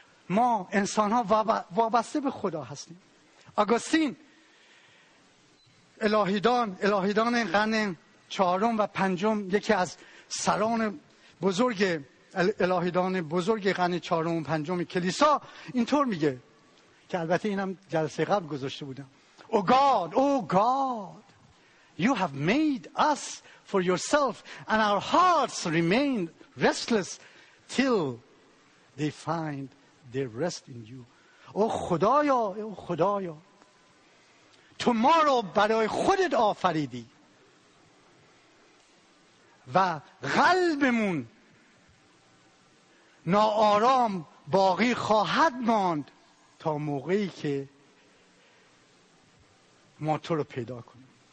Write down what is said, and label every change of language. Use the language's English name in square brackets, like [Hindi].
[Persian] ما انسان ها وابسته به خدا هستیم. آگوستین، الهیدان قرن چهارم و پنجم، یکی از سران بزرگ الهیدان بزرگ قرن چهارم و پنجم کلیسا اینطور میگه، که البته اینم جلسه قبل گذاشته بودم. [English] Oh God, you have made us for yourself and our hearts remain restless till they find their rest in you. [Persian] Oh خدایا، تو ما رو برای خودت آفریدی و قلبمون ناآرام باقی خواهد ماند تا موقعی که ما تو رو پیدا کنیم.